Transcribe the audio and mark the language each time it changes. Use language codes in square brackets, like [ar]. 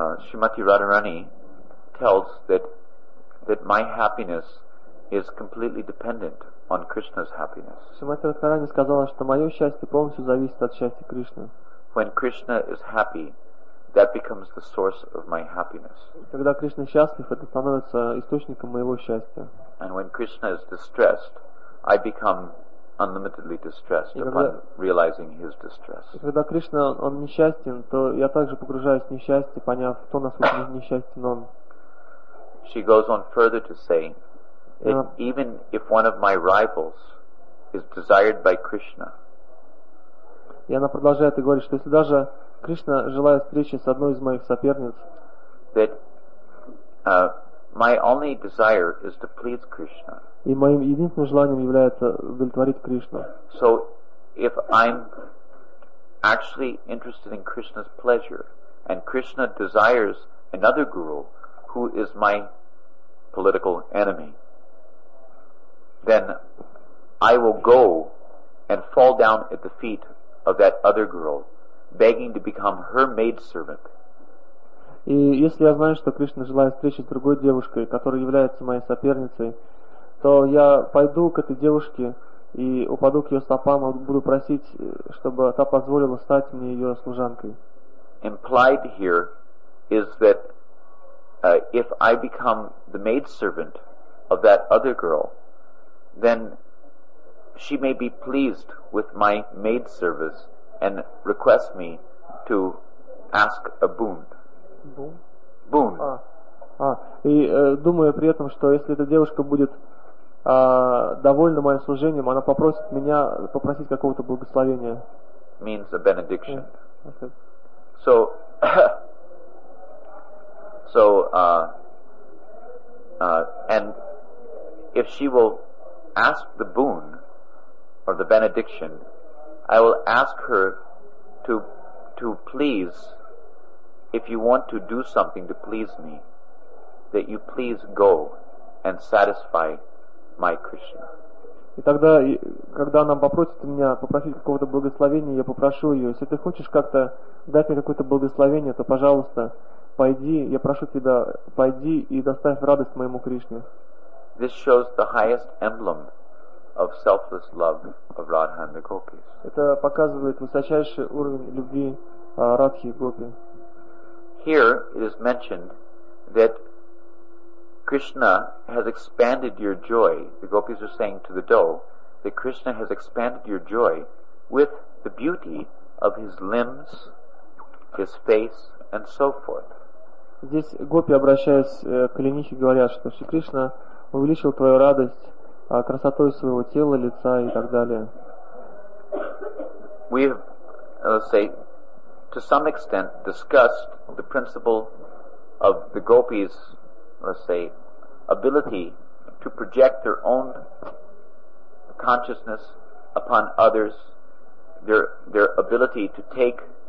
[en] Шримати Радхарани tells that my happiness is completely dependent on Krishna's happiness. [ru] Шримати Радхарани сказала, что мое счастье полностью зависит от счастья Кришны. [en] When Krishna is happy, that becomes the source of my happiness. [ru] Когда Кришна счастлив, это становится источником моего счастья. [en] And when Krishna is distressed, I become unlimitedly distressed upon realizing his distress. [ru] Когда Кришна он несчастен, то я также погружаюсь в несчастье, поняв, кто насколько несчастен он. [en] She goes on further to say that even if one of my rivals is desired by Krishna. [ru] И она продолжает и говорит, что если даже Кришна желает встречи с одной из моих соперниц, [en] that my only desire is to please Krishna. [ru] И моим единственным желанием является удовлетворить Кришну. [en] So if I'm actually interested in Krishna's pleasure and Krishna desires another guru who is my political enemy, then I will go and fall down at the feet of that other girl, begging to become her maid servant. [ru] И если я знаю, что Кришна желает встречи с другой девушкой, которая является моей соперницей, то я пойду к этой девушке и упаду к ее стопам и буду просить, чтобы та позволила стать мне ее служанкой. [en] Implied here is that if I become the maid servant of that other girl, then she may be pleased with my maid service and request me to ask a boon. Boon. [ru] И думаю при этом, что если эта девушка будет довольна моим служением, она попросит меня попросить какого-то благословения. [en] Means a benediction. Yes. Okay. So, and if she will ask the boon or the benediction, I will ask her to please, if you want to do something to please me, that you please go and satisfy my Krishna. [ru] И тогда, когда она попросит меня попросить какого-то благословения, я попрошу ее, если ты хочешь как-то дать мне какое-то благословение, то, пожалуйста, пойди, я прошу тебя, пойди и доставь радость моему Кришне. [en] This shows the highest emblem of selfless love of Radha and the Gopis. [ru] Это показывает высочайший уровень любви Радхи и Гопи. [en] Here it is mentioned that Krishna has expanded your joy. The Gopis are saying to the doe that Krishna has expanded your joy with the beauty of his limbs, his face, and so forth. [ru] Здесь Гопи обращаясь к оленихе говорят, что Шри Кришна увеличил твою радость красотой своего тела, лица и так далее. [en] We have, let's say, to some extent discussed the principle of the gopis, let's say, ability to project their own consciousness upon others, their ability to take